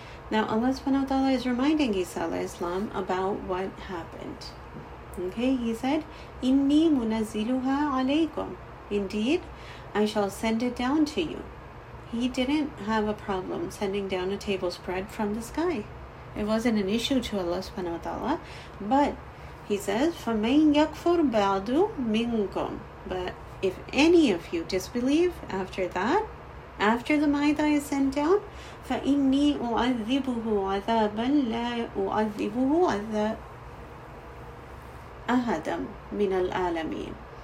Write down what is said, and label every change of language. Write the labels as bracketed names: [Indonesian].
[English] Now Allah subhanahu wa ta'ala is reminding Isa alayhi salam about what happened. Okay, he said, [Arabic] Inni munaziluha alaykum. [English] Indeed, I shall send it down to you. He didn't have a problem sending down a table spread from the sky. It wasn't an issue to Allah subhanahu wa ta'ala. But he says, [Arabic] فَمَنْ يَكْفُرْ بَعْدُ مِنْكُمْ. [English] But if any of you disbelieve after that, after the Maida is sent down, [Arabic] فَإِنِّي أُعَذِّبُهُ عَذَابًا لَا أُعَذِّبُهُ أَحَدًا مِنَ الْعَالَمِينَ.